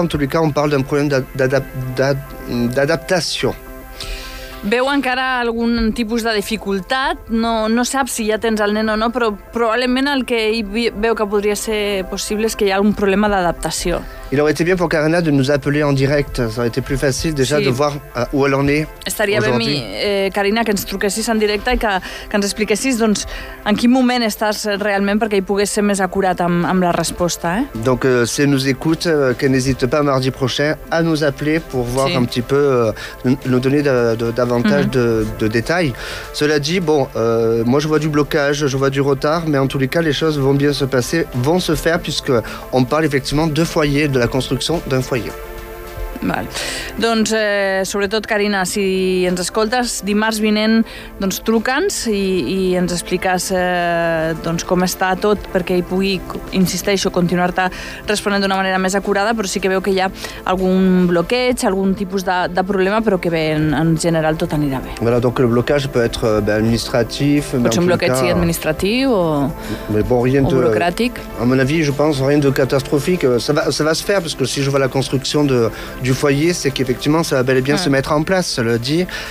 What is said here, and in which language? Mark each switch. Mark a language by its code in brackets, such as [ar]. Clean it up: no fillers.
[fr] En tous les cas, on parle d'un problème d'adaptation. [ca] Veu encara algun tipus de dificultat, no saps si ja tens el nen o no, però probablement el que veu que podria ser possible és que hi ha un problema d'adaptació. [fr] Il aurait été bien pour Karina de nous appeler en direct, ça aurait été plus facile déjà [ca] sí. [fr] De voir où elle en est. [ca] Estaria bé, Karina, que ens truquessis en directe i que ens expliquessis doncs, en quin moment estàs realment perquè hi pogués ser més acurat amb la resposta. Eh? [fr] Donc, si elle nous écoute, que n'hésite pas mardi prochain à nous appeler pour voir sí. Un petit peu, nous donner davantage de détails. Cela dit, bon, moi je vois du blocage, je vois du retard, mais en tous les cas, les choses vont bien se passer, vont se faire, puisqu'on parle effectivement de foyer. [ca] De la construcció d'un foyer. Val. Doncs, sobretot, Karina, si ens escoltes, dimarts vinent, doncs, truca'ns i ens expliques doncs, com està tot perquè hi pugui, insisteixo, continuar-te responent d'una manera més acurada, però sí que veu que hi ha algun bloqueig, algun tipus de problema, però que bé, en general tot anirà bé. [fr] Voilà, donc [ca] el bloqueig pot ser administratiu... Pot ser un bloqueig sí, administratiu o, [fr] mais bon, rien [ca] o de, burocràtic. [fr] A mon avis, je pense, rien de catastrophique. Ça va se faire, parce que si je vois la construction de du foyer, c'est qu'effectivement, ça va bel et bien se mettre en place, cela dit.